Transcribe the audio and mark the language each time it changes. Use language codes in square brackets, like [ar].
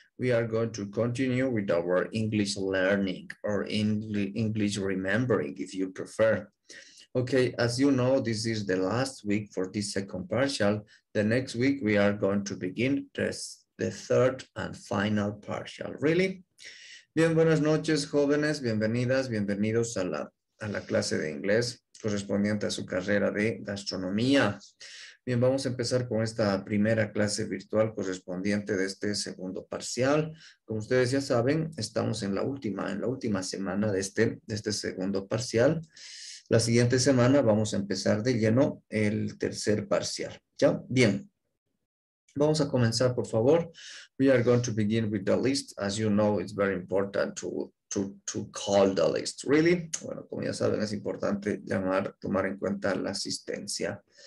[en] We are going to continue with our English learning or English remembering, if you prefer. Okay, as you know, this is the last week for this second partial. The next week, we are going to begin the third and final partial. [es] Really? Bien, buenas noches, jóvenes. Bienvenidas, bienvenidos a la clase de inglés correspondiente a su carrera de gastronomía. Bien, vamos a empezar con esta primera clase virtual correspondiente de este segundo parcial. Como ustedes ya saben, estamos en la última semana de este segundo parcial. La siguiente semana vamos a empezar de lleno el tercer parcial. ¿Ya? Bien. Vamos a comenzar, por favor. [en] We are going to begin with the list. As you know, it's very important to call the list, really. [es] Bueno, como ya saben, es importante tomar en cuenta la asistencia.